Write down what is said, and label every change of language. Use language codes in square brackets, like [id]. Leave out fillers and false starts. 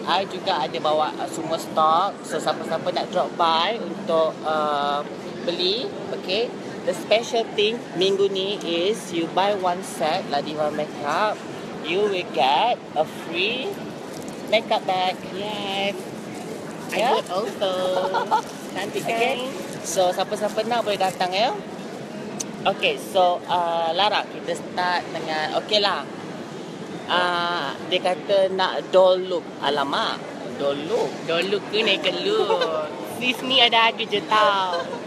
[ms] I juga ada bawa semua stock. So, siapa-siapa nak drop by untuk beli. [en] Okay, the special thing [ms] minggu ni [en] is you buy one set Ladiva makeup, you will get a free makeup bag. Yes. Yeah. I got also. [ms] Cantik kan? [en] Okay. [ms] So, siapa-siapa nak boleh datang ya. Okay, so Lara, kita start dengan, okay lah. Dia kata nak doll look. Alamak, doll look. Doll look ke naked look? Sis ni ada harga je tau.